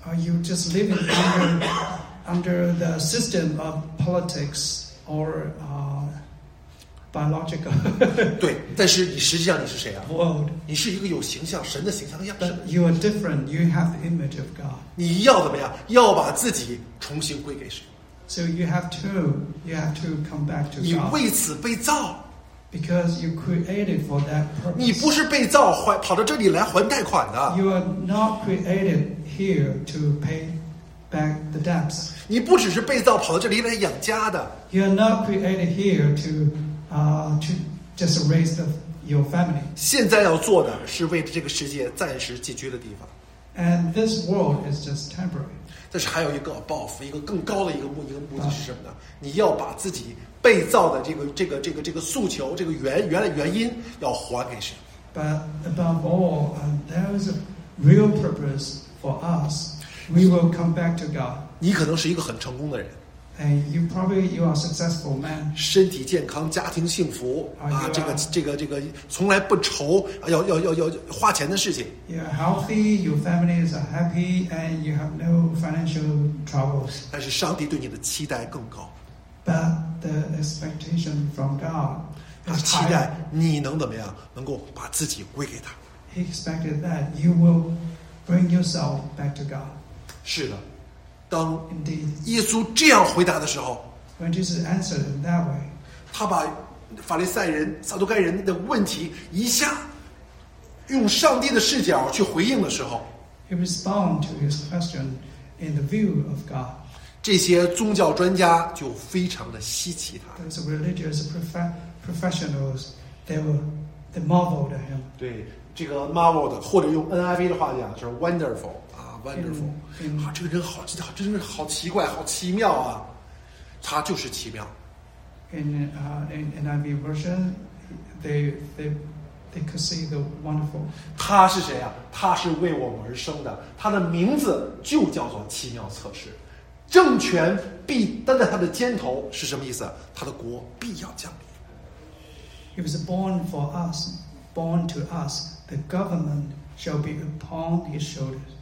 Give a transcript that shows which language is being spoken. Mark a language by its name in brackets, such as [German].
[English] You just live under the system of politics. Or biological. [Chinese] 对，但是你实际上你是谁啊 [English] ？World. [Chinese] 你是一个有形象、神的形象的样式。 [English] But you are different. You have the image of God. [Chinese] 你要怎么样？要把自己重新归给谁 [English] ？So you have to come back to God. [Chinese] 你为此被造。 [English] Because you created for that purpose. [Chinese] 你不是被造跑到这里来还贷款的。 [English] You are not created here to pay back the debts. [Chinese] 你不只是被造跑到这里来养家的。 [English] You are not created here to just raise your family. [Chinese] 现在要做的是为这个世界暂时寄居的地方。 [English] And this world is just temporary. [Chinese] 但是还有一个报复，一个更高的一个目的是什么呢？你要把自己被造的这个诉求，这个原因要还给神。 [English] But above all, there is a real purpose for us. We will come back to God. [Chinese] 你可能是一个很成功的人 [English] and you are a successful man. [Chinese] 身体健康，家庭幸福、这个从来不愁要花钱的事情。 [English] You're healthy, your family is happy, and you have no financial troubles. [Chinese] 但是上帝对你的期待更高。 [English] But the expectation from God is high. [Chinese] 他期待你能怎么样，能够把自己归给他。 [English] He expected that you will bring yourself back to God. [Chinese] 是的。当耶稣这样回答的时候 [English] When Jesus answered in that way, [Chinese] 他把法利赛人撒都该人的问题一下用上帝的视角去回应的时候 [English] He responded to his question in the view of God. [Chinese] 这些宗教专家就非常的稀奇他 [English] Those religious professionals they marveled at him. [Chinese] 对这个 marveled 或者用 NIV 的话讲是 wonderful. [English] Wonderful. [Chinese] 这个人好，真是好奇怪，好奇妙啊！他就是奇妙。 [English] In NIV version, they could see the wonderful. [Chinese] 他是谁啊？他是为我们而生的，他的名字就叫做奇妙测试。政权必担在他的肩头是什么意思？他的国必要降临。 [English] He was born for us, born to us. The government shall be upon his shoulders.